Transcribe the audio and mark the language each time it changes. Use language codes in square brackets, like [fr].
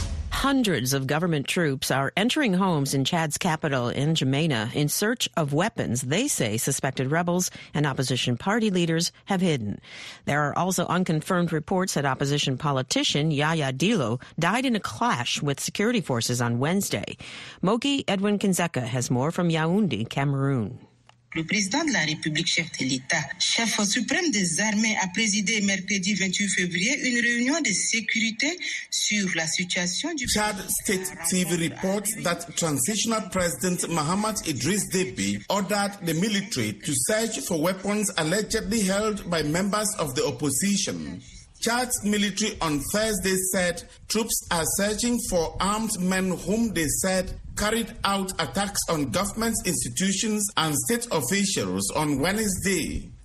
[en] Hundreds of government troops are entering homes in Chad's capital, N'Djamena, in search of weapons they say suspected rebels and opposition party leaders have hidden. There are also unconfirmed reports that opposition politician Yaya Dilo died in a clash with security forces on Wednesday. Moki Edwin Kinzeka has more from Yaoundé, Cameroon. [fr] Le président de la République, chef de l'État, chef suprême des armées, a présidé mercredi 28 février une réunion de sécurité sur la situation du... [en] Chad State TV reports that transitional president Mahamat Idriss Déby ordered the military to search for weapons allegedly held by members of the opposition. Chad's military on Thursday said troops are searching for armed men whom they said carried out attacks on government institutions and state officials on Wednesday.